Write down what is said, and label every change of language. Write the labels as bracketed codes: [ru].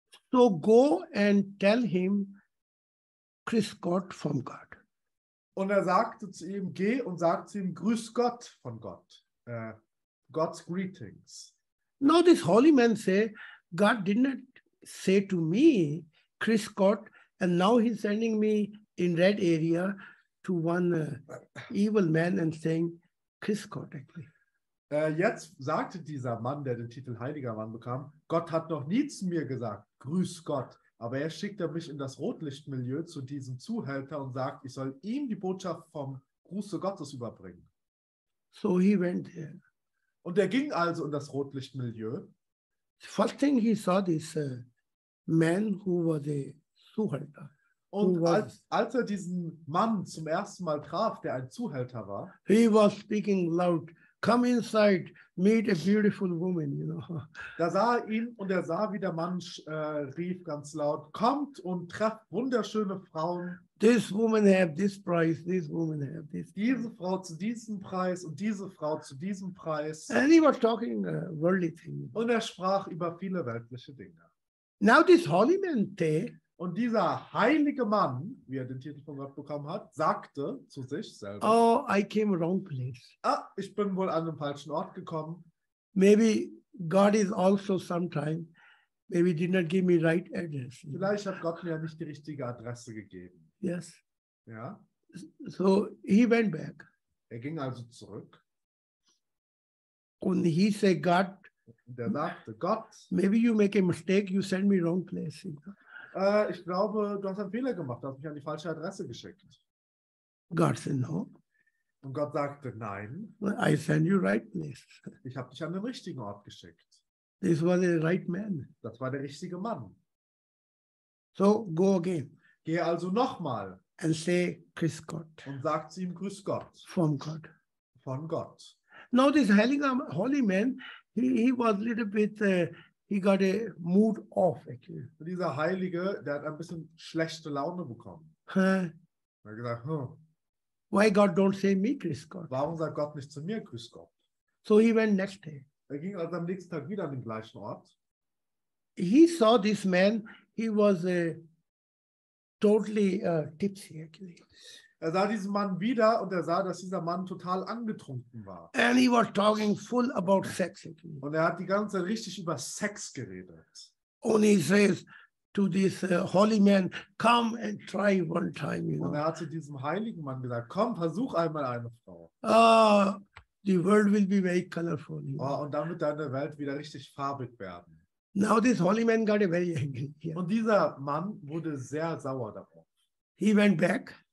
[en] So go and tell him Chris Gott from God. [de] Und er sagte zu ihm, geh und sag zu ihm, grüß Gott von Gott. [en] God's greetings. Now this holy man say, God did not say to me, Chris Gott, and now he's sending me in red area to one evil man and saying, Chris Gott, actually. [de] Jetzt sagte dieser Mann, der den Titel Heiliger Mann bekam, Gott hat noch nie zu mir gesagt, grüß Gott. Aber er schickte mich in das Rotlichtmilieu zu diesem Zuhälter und sagt, ich soll ihm die Botschaft vom Gruße Gottes überbringen. [en] So he went there. [de] Und er ging also in das Rotlichtmilieu. [en] First thing he saw this man who was a Zuhälter. [de] Und als er diesen Mann zum ersten Mal traf, der ein Zuhälter war, [en] he was speaking loud. Come inside, meet a beautiful woman, you know. [de] Da sah er ihn und er sah, wie der Mann rief ganz laut, kommt und trefft wunderschöne Frauen. [en] This woman have this price, this woman have this [de] Diese Frau zu diesem Preis und diese Frau zu diesem Preis. [en] And he was talking worldly things. [de] Und er sprach über viele weltliche Dinge. [en] Now this holy man, they, [de] und dieser heilige Mann, wie er den Titel von Gott bekommen hat, sagte zu sich selber, [en] oh, I came wrong place. [de] Ah, ich bin wohl an den falschen Ort gekommen. [en] Maybe God is also sometime, maybe did not give me right address. [de] Vielleicht hat Gott mir ja nicht die richtige Adresse gegeben. [en] Yes. [de] Ja. [en] So he went back. [de] Er ging also zurück. Und [en] he said, God, [de] der sagte, Gott, [en] maybe you make a mistake, you send me wrong place. [de] Ich glaube, du hast einen Fehler gemacht. Du hast mich an die falsche Adresse geschickt. [en] God said no. [de] Und Gott sagte, nein. [en] I send you right place. [de] Ich habe dich an den richtigen Ort geschickt. [en] This was the right man. [de] Das war der richtige Mann. [en] So, go again. [de] Geh also nochmal. [en] And say, [de] grüß Gott. Und sag zu ihm, grüß Gott. [en] From God. [de] Von Gott. [en] Now this holy man, he was a little bit... He got a mood off. Actually. [de] Dieser Heilige, der hat ein bisschen schlechte Laune bekommen. Huh? Er hat gesagt, huh. [en] Why God don't say me, Chris Gott? [de] Warum sagt Gott nicht zu mir, Chris Gott? [en] So he went next day. [de] Er ging also am nächsten Tag wieder an den gleichen Ort. [en] He saw this man, he was totally tipsy, actually. [de] Er sah diesen Mann wieder und er sah, dass dieser Mann total angetrunken war. [en] And he was talking full about sex. [de] Und er hat die ganze Zeit richtig über Sex geredet. [en] And he says to this holy man, come and try one time. You [de] und [en] know. [de] Er hat zu diesem heiligen Mann gesagt, komm, versuch einmal eine Frau. [en] The world will be very colorful. [de] Oh, und dann wird deine Welt wieder richtig farbig werden. [en] Now this holy man got very angry. Yeah. [de] Und dieser Mann wurde sehr sauer darauf. [en] He went back.